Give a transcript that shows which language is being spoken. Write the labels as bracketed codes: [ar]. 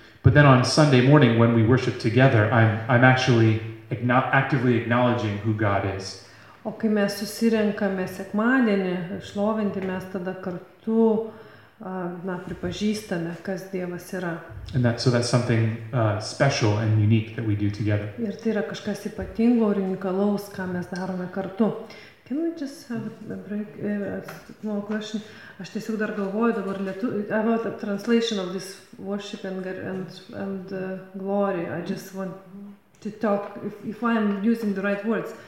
[en] But then on Sunday morning when we worship together, I'm actually actively acknowledging who God is. [lt] O kai mes susirenkame sekmadienį šlovinti, mes tada kartu pripažįstame, kas Dievas yra. [en] And that, so that's something special and unique that we do together. [lt] Ir tai yra kažkas ypatingo ir unikalaus, ką mes darome kartu. [en] Can we just have a break? No question. [lt] Aš tiesiog dar galvoju dabar [en] about the translation of this worship and glory. I just want to talk if I am using the right words.